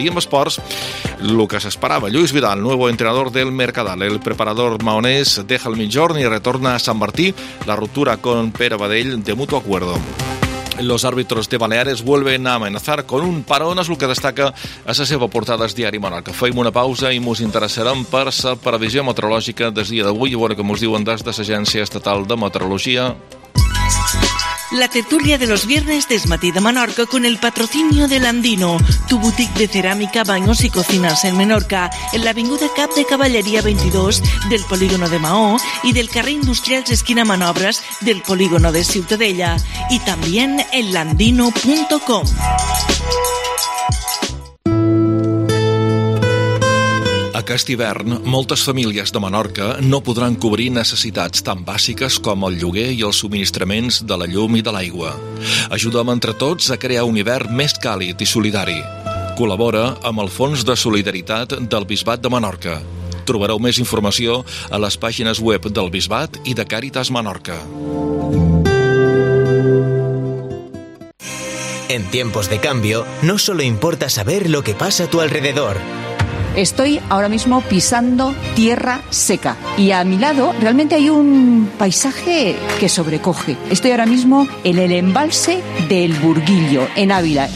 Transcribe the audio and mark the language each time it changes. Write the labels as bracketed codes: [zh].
[es] Y en Sports, lo que se esperaba, Lluís Vidal, nuevo entrenador del Mercadal. El preparador maonés deja el Migjorn y retorna a San Martí, la ruptura con Pere Badell de mutuo acuerdo. Los árbitros de Baleares vuelven a amenazar con un parón, es lo que destaca [ca] a la seva portada [es] diari Menorca. [ca] Fem una pausa i mos interessarem per la previsió meteorològica del dia d'avui i veure com us diuen des de l'Agència Estatal de Meteorologia. [es] La tertulia de los viernes de Es Matí de Menorca con el patrocinio de Landino, tu boutique de cerámica, baños y cocinas en Menorca, en la Avinguda Cap de Cavalleria 22 del polígono de Mahó y del carrer Industrials esquina Manobras del polígono de Ciutadella y también en landino.com. [ca] Aquest hivern, moltes famílies de Menorca no podran cobrir necessitats tan bàsiques com el lloguer i els subministraments de la llum i de l'aigua. Ajuda'm entre tots a crear un hivern més càlid i solidari. Col·labora amb el Fons de Solidaritat del Bisbat de Menorca. Trobareu més informació a les pàgines web del Bisbat i de Càritas Menorca. [es] En tiempos de cambio, no solo importa saber lo que pasa a tu alrededor. Estoy ahora mismo pisando tierra seca y a mi lado realmente hay un paisaje que sobrecoge. Estoy ahora mismo en el embalse del Burguillo, en Ávila.